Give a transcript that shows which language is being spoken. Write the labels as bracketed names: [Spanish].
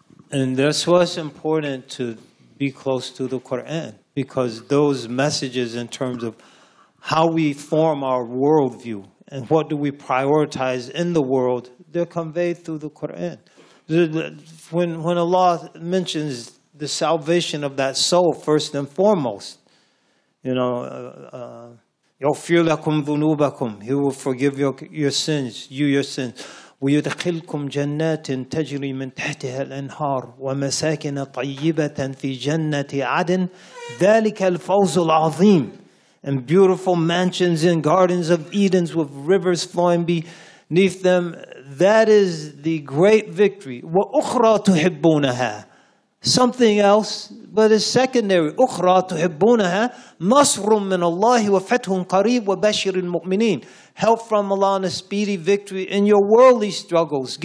[English] And that's what's important, to be close to the Quran, because those messages in terms of how we form our worldview and what do we prioritize in the world, they're conveyed through the Quran. When Allah mentions the salvation of that soul first and foremost, you know, [Arabic] يَغْفِرْ لَكُمْ ذُنُوبَكُمْ, [English] He will forgive your sins. [Arabic] وَيُدْخِلْكُمْ جَنَّاتٍ تَجْرِي مِنْ تَحْتِهَا الْأَنْهَارُ وَمَسَاكِنَ طَيِّبَةً فِي جَنَّةِ عَدْنٍ ذَلِكَ الْفَوْزُ الْعَظِيمُ, [English] and beautiful mansions and gardens of Edens with rivers flowing beneath them. That is the great victory. [Arabic] وَأُخْرَى تُحِبُّونَهَا, [English] something else, but it's secondary. [Arabic] أُخْرَى تُحِبُّونَهَا, نَصْرٌ مِّنَ اللَّهِ وَفَتْحٌ قَرِيبٌ وَبَشِّرِ الْمُؤْمِنِينَ, [English] help from Allah and a speedy victory in your worldly struggles.